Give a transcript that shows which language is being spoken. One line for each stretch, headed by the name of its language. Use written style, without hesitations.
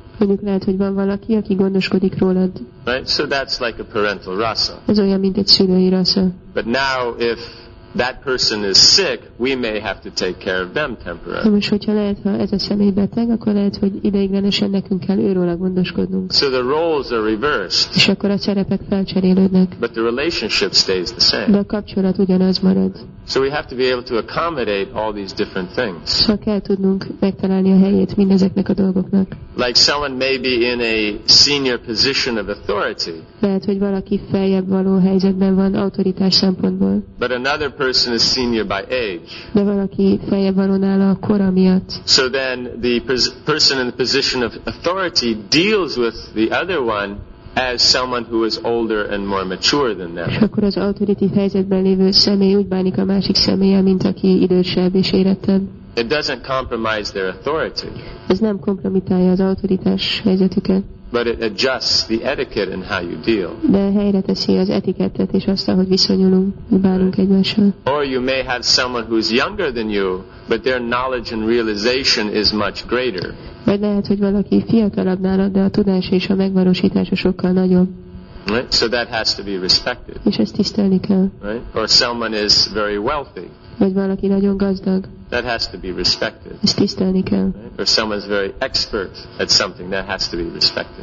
Hungarian: Mondjuk lehet, hogy van valaki, aki gondoskodik rólad.
English: Right? So that's like a parental rasa.
Hungarian: Ez olyan, mint egy szülői rasa.
English: But now if that person is sick, we may have to take care of them temporarily.
Hungarian: Most, hogyha lehet, ha ez a személy beteg, akkor lehet, hogy ideiglenesen nekünk kell őróla gondoskodnunk.
English: So the roles are reversed.
Hungarian: És akkor a szerepek felcserélődnek.
English: But the relationship stays the same.
Hungarian: De a kapcsolat ugyanaz marad.
English: So we have to be able to accommodate all these different things.
Hungarian: Szóval kell tudnunk megtalálni a helyét mindezeknek a dolgoknak.
English: Like someone may be in a senior position of authority.
Hungarian: Lehet, hogy valaki feljebb való helyzetben van autoritás szempontból.
English: But another person is senior by age.
Hungarian: De valaki feljebb való nála a kora miatt.
English: So then the person in the position of authority deals with the other one as someone who is older and more mature than them.
Hungarian: És akkor az autoriti helyzetben lévő személy úgy bánik a másik személlyel, mint aki idősebb és érettebb.
English: It doesn't compromise their authority.
Hungarian: Ez nem kompromitálja az autoritás helyzetüket.
English: But it adjusts the etiquette in how you deal.
Hungarian: De helyre teszi az etikettet és azt, ahogy viszonyulunk, bánunk egymással.
English: Or you may have someone who's younger than you, but their knowledge and realization is much greater.
Hungarian: Vagy lehet, hogy valaki fiatalabb nálad, de a tudás és a megvalósítása sokkal nagyobb.
English: Right? So that has to be respected.
Hungarian: És ezt tisztelni kell.
English: Right? Or someone is very wealthy.
Hungarian: Vagy valaki nagyon gazdag.
English: That has to be respected.
Hungarian: Ezt tisztelni kell.
English: Right? Or someone's very expert at something, that has to be respected.